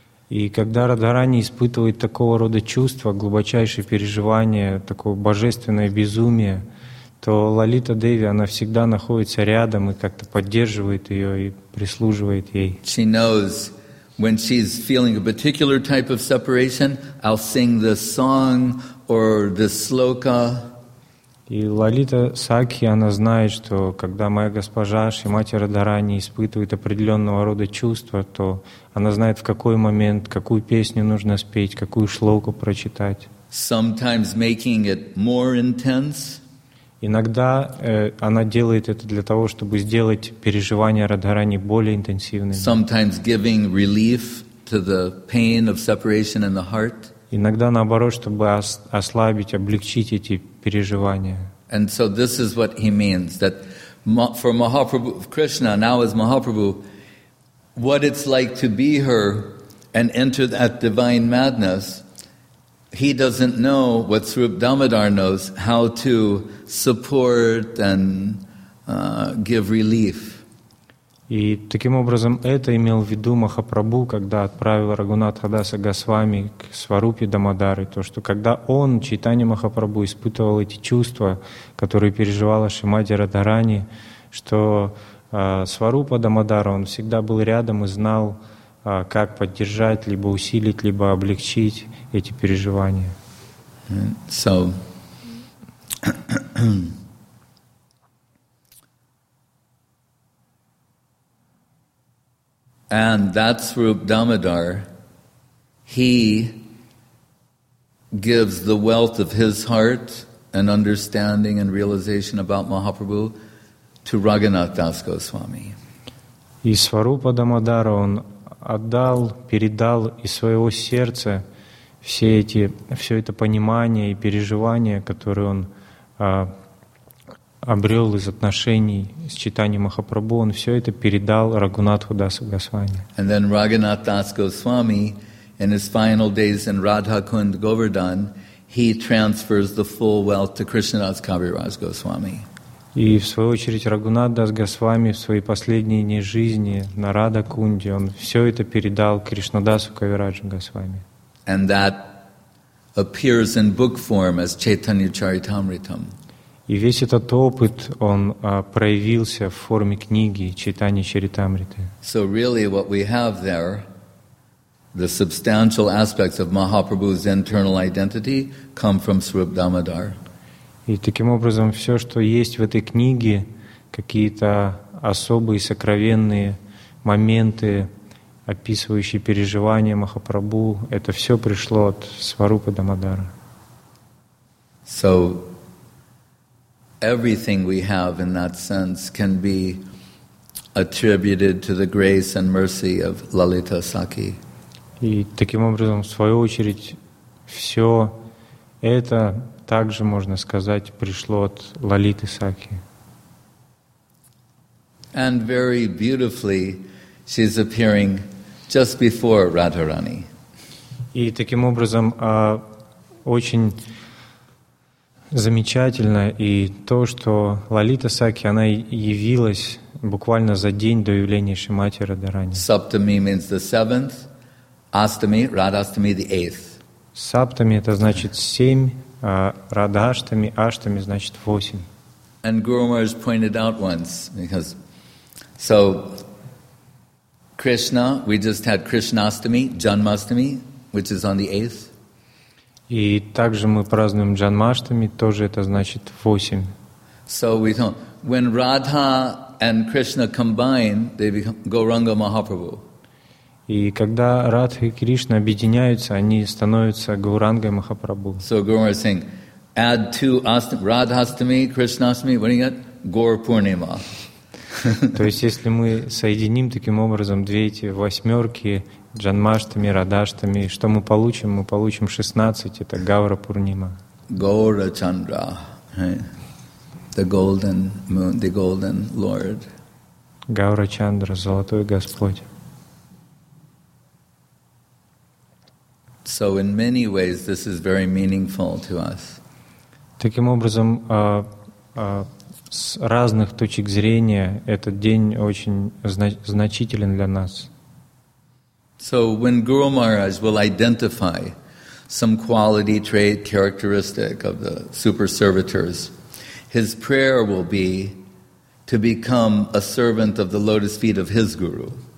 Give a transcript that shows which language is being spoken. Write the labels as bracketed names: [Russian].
[Russian] И когда Радхарани испытывает такого рода чувства, глубочайшие переживания, такое божественное безумие, то Лалита Деви, она всегда находится рядом и как-то поддерживает ее и прислуживает ей. [English] She knows when she's feeling a particular type of separation, I'll sing this song or this sloka. [Russian] И Лалита Сакхи, она знает, что когда моя госпожа Шримати Радхарани испытывает определенного рода чувства, то она знает, в какой момент, какую песню нужно спеть, какую шлоку прочитать. [English] Sometimes making it more intense. [Russian] Иногда она делает это для того, чтобы сделать переживания Радхарани более интенсивными. [English] Sometimes giving relief to the pain of separation in the heart. [Russian] Иногда наоборот, чтобы ослабить, облегчить эти переживания. [English] And so this is what he means, that for Mahaprabhu, Krishna, now as Mahaprabhu, what it's like to be her and enter that divine madness, he doesn't know what Srup Damodar knows, how to support and give relief. [Russian] И таким образом это имел в виду Махапрабху, когда отправил Рагунатха Даса Госвами к Сварупе Дамодары, то, что когда он, Чайтанья Махапрабху, испытывал эти чувства, которые переживала Шримати Радхарани, что Сварупа Дамодара, он всегда был рядом и знал, как поддержать, либо усилить, либо облегчить эти переживания. [English] So... And that's Srup Damodar. He gives the wealth of his heart and understanding and realization about Mahaprabhu to Raghunath Das Goswami. [Russian] И Сварупа Дамодара, он отдал, передал из своего сердца все эти, все это понимание и переживание, которое он обрел из отношений с Чайтаньей Махапрабху, он все это передал Рагунатху Дасу Госвами. [English] And then Raghunath Das Goswami, in his final days in Radhakund Govardhan, he transfers the full wealth to Krishnadas Kaviraj Goswami. [Russian] И в свою очередь Рагунат Дас Госвами в свои последние дни жизни на Радхакунде, он все это передал Кришнадасу Кавираджу Госвами. [English] And that appears in book form as Chaitanya Charitamritam. [Russian] И весь этот опыт, он проявился в форме книги Чайтанья Чаритамриты. [English] So really what we have there, the substantial aspects of Mahaprabhu's internal identity come from Srup Damodar. [Russian] И таким образом, все, что есть в этой книге, какие-то особые сокровенные моменты, описывающие переживания Махапрабху, это все пришло от Сварупы Дамодара. [English] So everything we have in that sense can be attributed to the grace and mercy of Lalita Sakhi. [Russian] И таким образом, в свою очередь, все это также, можно сказать, пришло от Лалиты Сакхи. [English] And very beautifully she's appearing just before Radharani. [Russian] И таким образом, очень замечательно и то, что Лалита Сакхи, она явилась буквально за день до явления Шримати Радхарани. [English] Саптами means the seventh, Астами, Радхаштами the eighth. [Russian] Саптами это значит семь, а Радхаштами, Аштами значит восемь. [English] And Guru Maharaj pointed out once, because so Krishna, we just had Krishnastami, Janmastami, which is on the eighth. [Russian] И также мы празднуем Джанмаштами, тоже это значит восемь. [English] So we thought, when Radha and Krishna combine, they become Gauranga Mahaprabhu. [Russian] И когда Радха и Кришна объединяются, они становятся Гаурангой Махапрабху. [English] So Gaurangas saying, add to Radhastami, Krishnastami, what do you get? Gaur Purnima. [Russian] То есть если мы соединим таким образом две эти восьмерки, Джанмаштами, Радаштами, что мы получим? Мы получим 16, это Гаура Пурнима. [English] Гаура Чандра, the golden moon, the golden lord. [Russian] Гаура Чандра, золотой Господь. [English] So in many ways this is very meaningful to us. [Russian] Таким образом, с разных точек зрения этот день очень значителен для нас. [English] So when Guru Maharaj will identify some quality trait characteristic of the super servitors, his prayer will be to become a servant of the lotus feet of his guru.